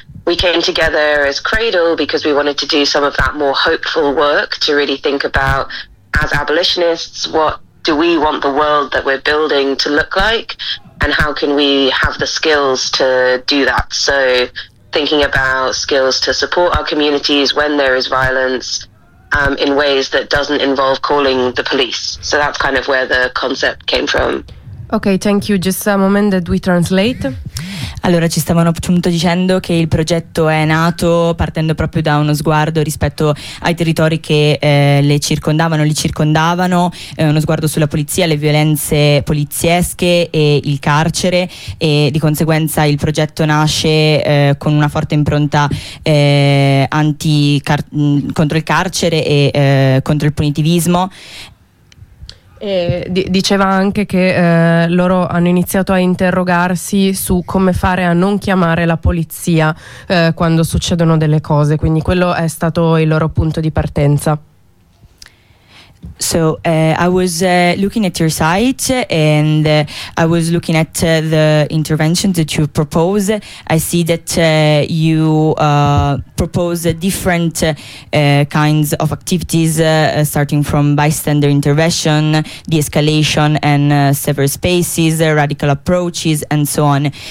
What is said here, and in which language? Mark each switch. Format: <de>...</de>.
<en>We came together as Cradle because we wanted to do some of that more hopeful work to really think about, as abolitionists, what do we want the world that we're building to look like and how can we have the skills to do that? So thinking about skills to support our communities when there is violence, in ways that doesn't involve calling the police. So that's kind of where the concept came from. Okay, thank you. Just a moment that we translate.</en> <it>Allora, ci stavano appunto dicendo che il progetto è nato partendo proprio da uno sguardo rispetto ai territori che li circondavano, uno sguardo sulla polizia, le violenze poliziesche e il carcere, e di conseguenza il progetto nasce con una forte impronta contro il carcere e contro il punitivismo. E diceva anche che loro hanno iniziato a interrogarsi su come fare a non chiamare la polizia quando succedono delle cose, quindi quello è stato il loro punto di partenza.</it> <en>So I was looking at your site and I was looking at the interventions that you propose. I see that you propose different kinds of activities starting from bystander intervention, de-escalation and severe spaces, radical approaches and so on.</en>